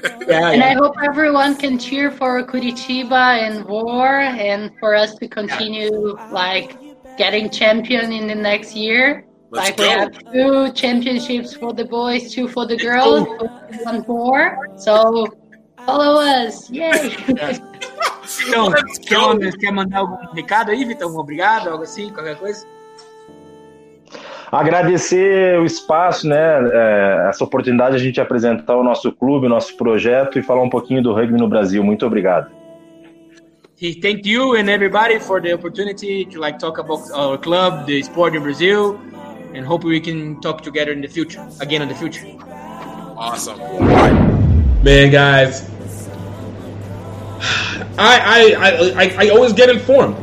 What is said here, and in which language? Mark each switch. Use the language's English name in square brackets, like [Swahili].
[English] And I hope everyone can cheer for Curitiba and War and for us to continue like getting champion in the next year. Let's go. We have two championships for the boys, two for the girls, one for. So follow us. Yay! [Portuguese] Então, Jonas, quer mandar algum recado aí, Vitor? Obrigado, algo assim, qualquer coisa? Agradecer o espaço, né? Essa oportunidade de a gente apresentar o nosso clube, o nosso projeto e falar um pouquinho do rugby no Brasil. Muito obrigado. [English] E thank you and everybody for the opportunity to like talk about our club, the sport in Brazil, and hope we can talk together in the future, again in the future. Awesome. Man, guys, I always get informed.